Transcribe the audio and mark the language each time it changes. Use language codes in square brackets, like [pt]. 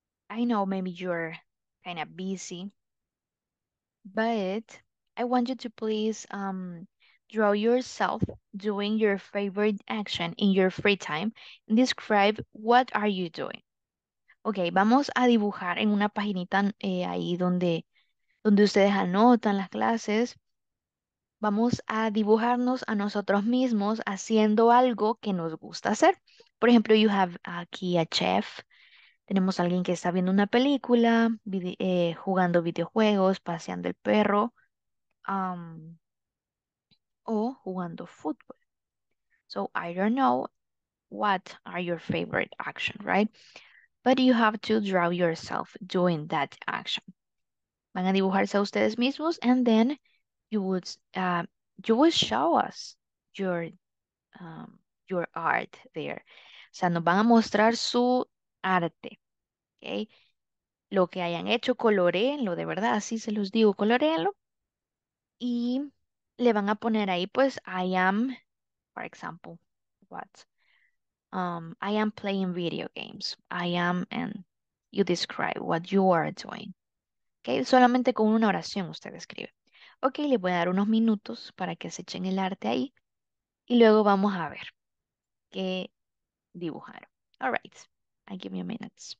[en] I know maybe you're kind of busy, but I want you to please draw yourself doing your favorite action in your free time. Describe what are you doing. [es] Ok, vamos a dibujar en una paginita ahí donde ustedes anotan las clases. Vamos a dibujarnos a nosotros mismos haciendo algo que nos gusta hacer. Por ejemplo, [en] you have [es] aquí a chef. Tenemos a alguien que está viendo una película, jugando videojuegos, paseando el perro. O jugando fútbol. [en] So I don't know what are your favorite action, right? But you have to draw yourself doing that action. [es] Van a dibujarse a ustedes mismos [en] and then you would show us your art there. [es] O sea, nos van a mostrar su arte. Okay? Lo que hayan hecho, coloréenlo, de verdad, así se los digo, coloréenlo. Y le van a poner ahí, pues, [en] I am, for example, what? I am playing video games. I am, and you describe what you are doing. [es] Okay, solamente con una oración usted escribe. Okay, le voy a dar unos minutos para que se echen el arte ahí. Y luego vamos a ver qué dibujaron. [en] All right, I give you a minute.